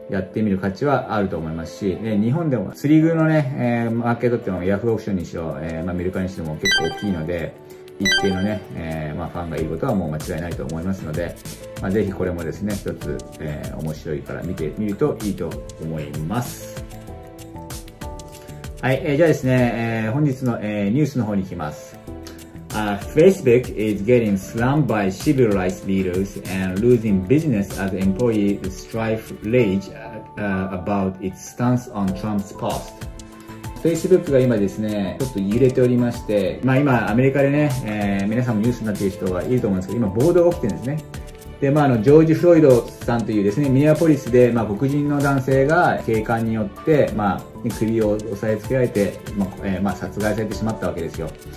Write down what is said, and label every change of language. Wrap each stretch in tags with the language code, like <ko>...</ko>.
<ja>やってみる価値はあると思いますし、日本でも釣り具のね、マーケットっていうのはヤフーオークションにしろ、まあ、メルカリにしても結構大きいので、一定のね、まあ、ファンがいることはもう間違いないと思いますので、まあ、ぜひこれもですね、一つ、面白いから見てみるといいと思います。はい、じゃあですね、本日の、ニュースの方に行きます。</ja> <en>Facebook is getting slammed by civil rights leaders and losing business as employees strife rage about its stance on Trump's post.</en> <ja>Facebook が今ですね、ちょっと揺れておりまして、まあ今アメリカでね、皆さんもニュースになっている人がいると思うんですけど、今暴動が起きてるんですね。で、まああの、ジョージ・フロイドさんというですね、ミネアポリスで、まあ黒人の男性が警官によって、まあ首を押さえつけられて、まあ、まあ、殺害されてしまったわけですよ。</ja>